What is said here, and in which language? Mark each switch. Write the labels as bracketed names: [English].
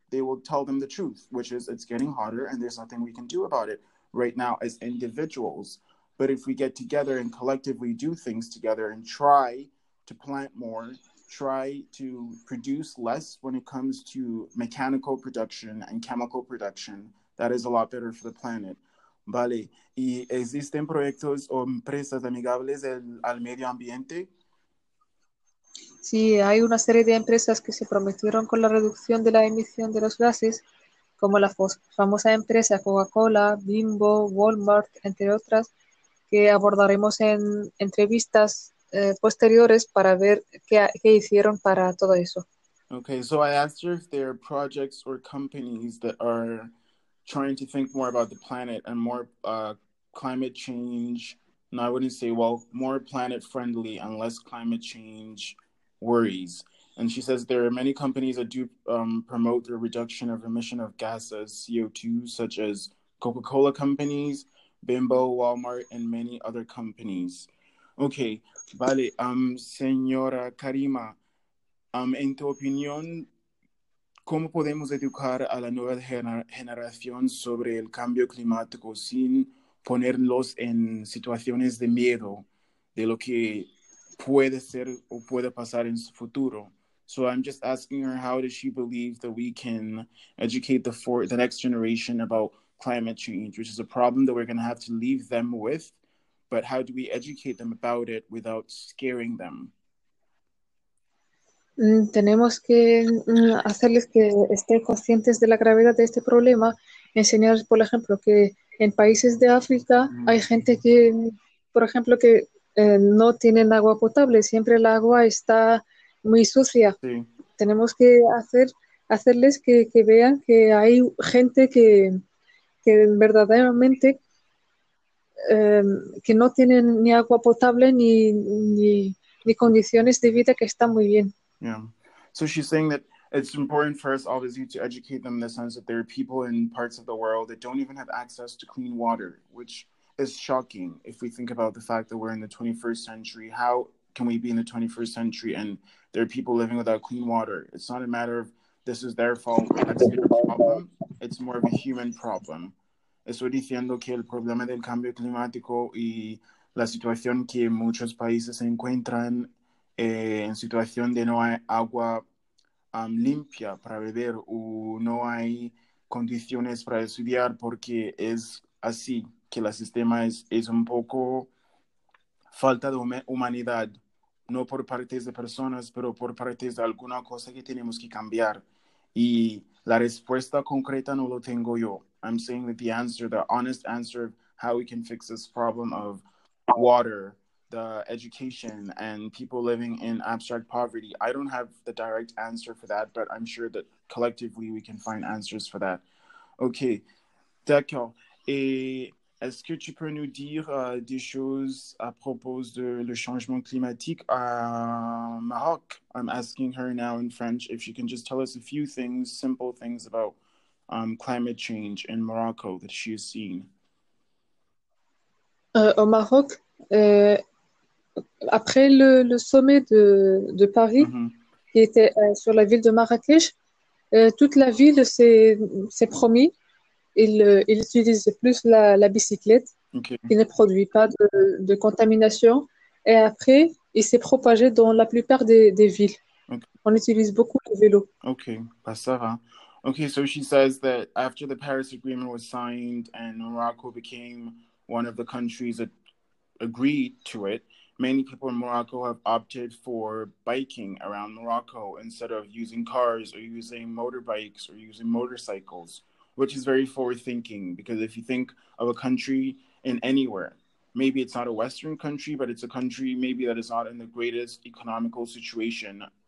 [English] They will tell them the truth, which is it's getting hotter and there's nothing we can do about it right now as individuals. But if we get together and collectively do things together and try to plant more, try to produce less when it comes to mechanical production and chemical production, that is a lot better for the planet. [Spanish] Vale, ¿y existen proyectos o empresas amigables al medio ambiente? Sí, hay una serie de empresas que se comprometieron con la reducción de la emisión de los gases, como la famosa empresa Coca-Cola, Bimbo, Walmart, entre otras, que abordaremos en entrevistas posteriores para ver qué hicieron para todo eso. [English] Okay, so I asked her if there are projects or companies that are trying to think more about the planet and more climate change, and I wouldn't say, well, more planet friendly and less climate change worries. And she says there are many companies that do promote the reduction of emission of gases, CO2, such as Coca-Cola companies, Bimbo, Walmart, and many other companies. [Spanish] Okay, vale, señora Karima, en tu opinión, ¿cómo podemos educar a la nueva generación sobre el cambio climático sin ponerlos en situaciones de miedo de lo que puede ser o puede pasar en su futuro. [English] So I'm just asking her, how does she believe that we can educate the next generation about climate change, which is a problem that we're going to have to leave them with, but how do we educate them about it without scaring them? [Spanish] Tenemos que hacerles que estén conscientes de la gravedad de este problema, enseñarles, por ejemplo, que en países de África hay gente que, por ejemplo, que no tienen agua potable, siempre el agua está muy sucia. Tenemos que hacerles que vean que hay gente que verdaderamente que no tienen ni agua potable ni condiciones de vida que están muy bien. [English] So she's saying that it's important for us, obviously, to educate them in the sense that there are people in parts of the world that don't even have access to clean water, which is shocking if we think about the fact that we're in the 21st century. How can we be in the 21st century and there are people living without clean water? It's not a matter of this is their fault or that's their problem. It's more of a human problem. [Spanish] Estoy diciendo que el problema del cambio climático y la situación que muchos países se encuentran en situación de no hay agua limpia para beber o no hay condiciones para estudiar porque es así, que el sistema es un poco falta de humanidad, no por partes de personas, pero por partes de alguna cosa que tenemos que cambiar. Y la respuesta concreta no lo tengo yo. [English] I'm saying that the answer, the honest answer of how we can fix this problem of water, the education and people living in abstract poverty. I don't have the direct answer for that, but I'm sure that collectively we can find answers for that. [French] Okay, d'accord. Et est-ce que tu peux nous dire des choses à propos de le changement climatique à Maroc? [English] I'm asking her now in French if she can just tell us a few things, simple things about climate change in Morocco that she has seen. [French] Au Maroc, après le sommet de Paris, qui était sur la ville de Marrakech, toute la ville s'est promis, il utilise plus la bicyclette, qui ne produit pas de contamination. Et après, il s'est propagé dans la plupart des villes. On utilise beaucoup le vélo. Bah, ça va. [English] Okay, so she says that after the Paris Agreement was signed and Morocco became one of the countries that agreed to it, many people in Morocco have opted for biking around Morocco instead of using cars or using motorbikes or using motorcycles, which is very forward-thinking because if you think of a country in anywhere, maybe it's not a Western country, but it's a country maybe that is not in the greatest economical situation.